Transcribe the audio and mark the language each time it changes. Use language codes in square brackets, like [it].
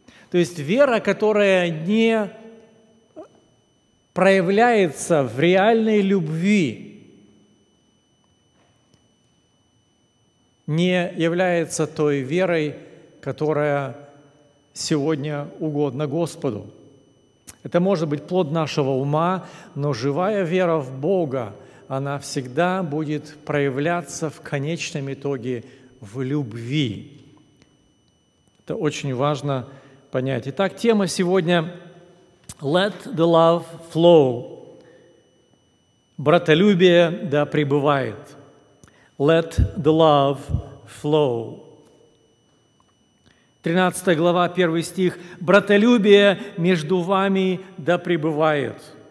[ru] То есть вера, которая не проявляется в реальной любви, не является той верой, которая сегодня угодна Господу. Это может быть плод нашего ума, но живая вера в Бога, она всегда будет проявляться в конечном итоге в любви. Это очень важно понять. Итак, тема сегодня – [en] «Let the love flow». [ru] «Братолюбие да пребывает». [en] «Let the love flow». [ru] 13 глава, 1 стих. «Братолюбие между вами да пребывает».